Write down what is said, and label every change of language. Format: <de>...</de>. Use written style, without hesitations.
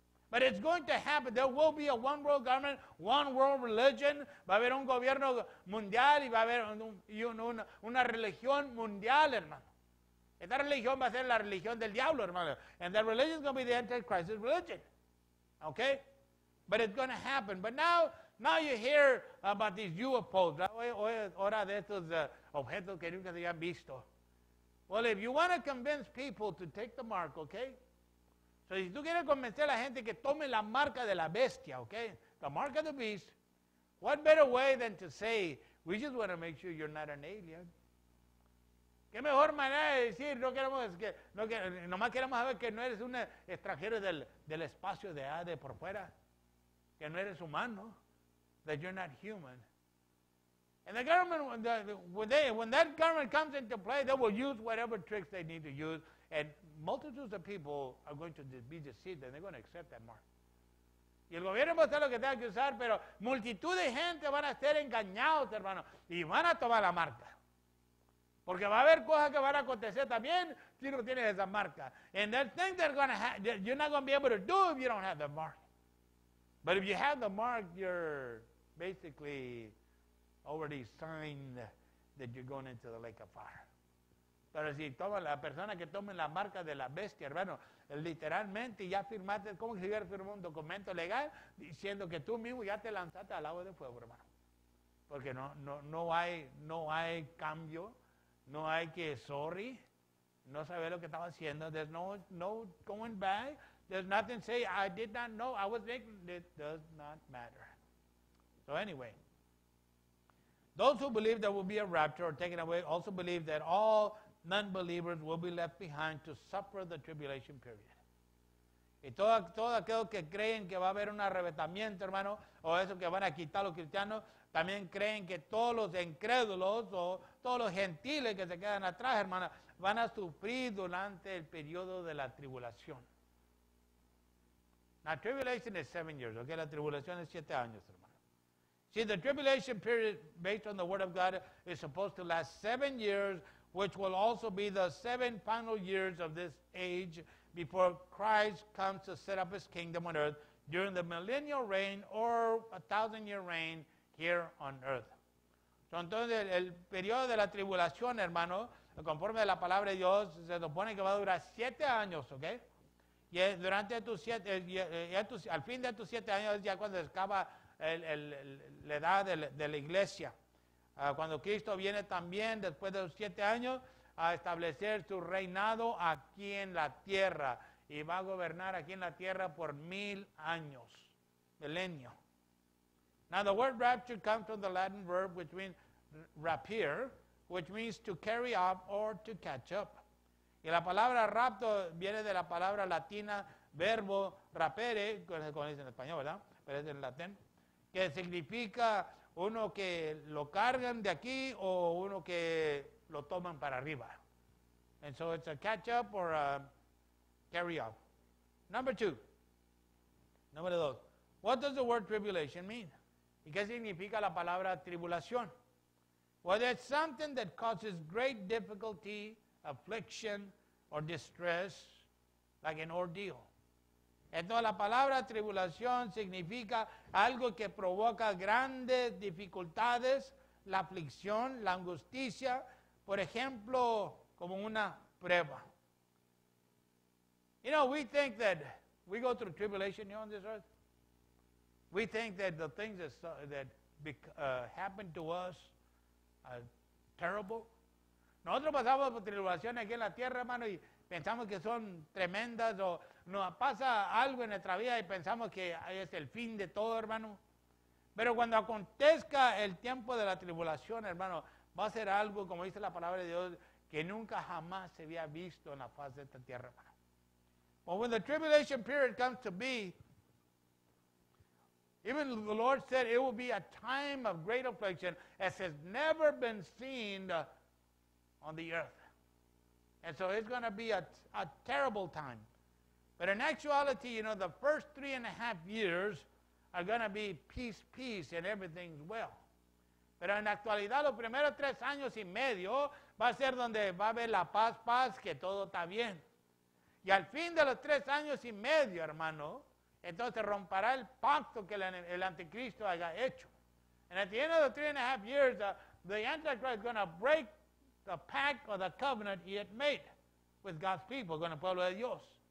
<en>But it's going to happen. There will be a one world government, one world religion.</en> <es>Va a haber un gobierno mundial y va a haber una religión mundial, hermano. Esta religión va a ser la religión del diablo, hermano.</es> <en>And that religion is going to be the Antichrist's religion. Okay? But it's going to happen. But now you hear about these UFOs.</en> <es>Ahora de estos objetos que nunca se habían visto.</es> <en>Well, if you want to convince people to take the mark, okay? So</en> <es>si tú quieres convencer a la gente que tome la marca de la bestia,</es> <en>okay? The mark of the beast. What better way than to say, we just want to make sure you're not an alien.</en> <es>¿Qué mejor manera de decir, no queremos, que, no que, nomás queremos saber que no eres un extranjero del espacio de ADE por fuera? Que no eres humano.</es> <en>That you're not human. And the government, when that government comes into play, they will use whatever tricks they need to use. And multitudes of people are going to be deceived and they're going to accept that mark.</en> <es>Y el gobierno va a hacer lo que tenga que usar, pero multitud de gente van a ser engañados, hermano, y van a tomar la marca. Porque va a haber cosas que van a acontecer también si no tienes esa marca.</es> <en>And that thing they're going to have, you're not going to be able to do if you don't have the mark. But if you have the mark, you're basically already signed that you're going into the lake of fire.</en> <es>Pero si toma la persona que tome la marca de la bestia, hermano, literalmente ya firmaste, como si hubiera firmado un documento legal diciendo que tú mismo ya te lanzaste al agua de fuego, hermano. Porque no hay cambio, no hay que sorry, no sabe lo que estaba haciendo.</es> <en>There's no going back. There's nothing to say, I did not know, I was making, it does not matter. So anyway, those who believe there will be a rapture or taken away also believe that all non-believers will be left behind to suffer the tribulation period.</en> <es>Y todo aquello que creen que va a haber un arrebatamiento, hermano, o eso que van a quitar los cristianos, también creen que todos los incrédulos o todos los gentiles que se quedan atrás, hermano, van a sufrir durante el periodo de la tribulación.</es> <en>Now, tribulation is 7 years, okay?</en> <es>La tribulación es 7 años, hermano.</es> <en>See, the tribulation period, based on the word of God, is supposed to last 7 years, which will also be the 7 final years of this age before Christ comes to set up his kingdom on earth during the millennial reign or 1,000-year reign here on earth.</en> <es>So, entonces, el periodo de la tribulación, hermano, conforme a la palabra de Dios, se supone que va a durar 7 años, okay? Y durante al fin de tus 7 años, ya cuando acaba la edad de la iglesia, cuando Cristo viene también después de los 7 años a establecer su reinado aquí en la tierra y va a gobernar aquí en la tierra por 1,000 años, milenio.</es> <en>Now the word rapture comes from the Latin verb which means rapier, which means to carry up or to catch up.</en> <es>Y la palabra rapto viene de la palabra latina verbo rapere, como dicen en español, ¿verdad? Pero es en latín, que significa uno que lo cargan de aquí o uno que lo toman para arriba.</es> <en>And so it's a catch up or a carry up.</en> <es>Número dos.</es> <en>What does the word tribulation mean?</en> <es>¿Y qué significa la palabra tribulación?</es> <en>Well, it's something that causes great difficulty, affliction or distress, like an ordeal.</en> <es>Entonces la palabra tribulación significa algo que provoca grandes dificultades, la aflicción, la angustia, por ejemplo, como una prueba.</es> <en>You know, we think that we go through tribulation here on this earth. We think that the things that happen to us are terrible.</en> <es>Nosotros pasamos por tribulaciones aquí en la tierra, hermano, y pensamos que son tremendas, o nos pasa algo en nuestra vida y pensamos que es el fin de todo, hermano. Pero cuando acontezca el tiempo de la tribulación, hermano, va a ser algo, como dice la palabra de Dios, que nunca jamás se había visto en la faz de esta tierra, hermano.</es> <en>But when the tribulation period comes to be, even the Lord said it will be a time of great affliction as has never been seen on the earth. And so it's going to be a terrible time. But in actuality, you know, the first 3.5 years are going to be peace, and everything's well.</en> <es>Pero en actualidad, los primeros 3 años y medio va a ser donde va a haber la paz, que todo está bien. Y al fin de los 3 años y medio, hermano, entonces romperá el pacto que el anticristo haya hecho.</es> <en>And at the end of the 3.5 years, the Antichrist is going to break the pact or the covenant he had made with God's people,</en> <es>con el pueblo de Dios.</es>